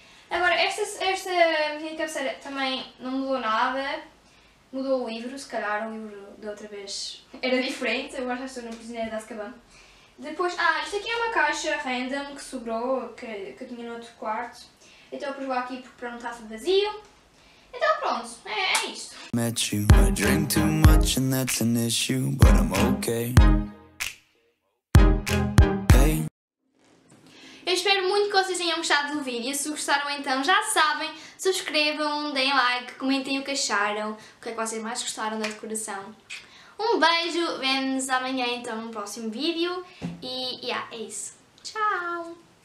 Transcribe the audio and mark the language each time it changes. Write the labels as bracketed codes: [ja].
[pt] Agora, esta medida de cabeceira também não mudou nada. Mudou o livro, se calhar o livro da outra vez era diferente, agora já estou no Prisioneiro de Azkaban. Depois, isto aqui é uma caixa random que sobrou, que tinha no outro quarto. Então eu pus lá aqui para não estar vazio. Então pronto, é isto. [en] Met you, I drink too much and that's an issue, but I'm okay. [pt] Eu espero muito que vocês tenham gostado do vídeo. Se gostaram, então já sabem, subscrevam, deem like, comentem o que acharam, o que é que vocês mais gostaram da decoração. Um beijo, vemo-nos amanhã então no próximo vídeo e é isso. Tchau!